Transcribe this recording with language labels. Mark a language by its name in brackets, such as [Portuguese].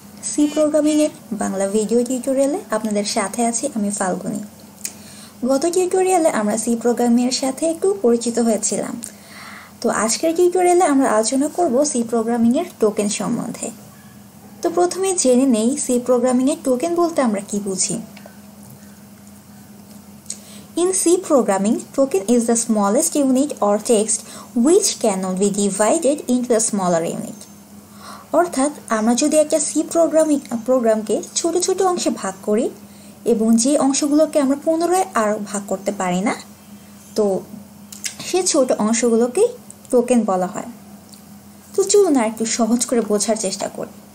[Bangla] C programming এর Bangla video টিউটোরিয়ালে আপনাদের সাথে আছি আমি ফাল্গুনী। গত টিউটোরিয়ালে আমরা C programming এর সাথে একটু পরিচিত হয়েছিলাম। তো আজকের টিউটোরিয়ালে আমরা আলোচনা করব C programming এর টোকেন সম্বন্ধে। তো প্রথমে জেনে নেই C programming এর টোকেন বলতে আমরা কি বুঝি। [English] In C programming, token is the smallest unit or text which cannot be divided into a smaller unit. [Bangla] অর্থাৎ আমরা যদি একটা সি প্রোগ্রামিং প্রোগ্রামকে ছোট ছোট অংশে ভাগ করি এবং যে অংশগুলোকে আমরা পুনরায় আর ভাগ করতে পারি না তো সেই ছোট অংশগুলোকে টোকেন বলা হয়। তো চলুন আর একটু সহজ করে বোঝার চেষ্টা করি।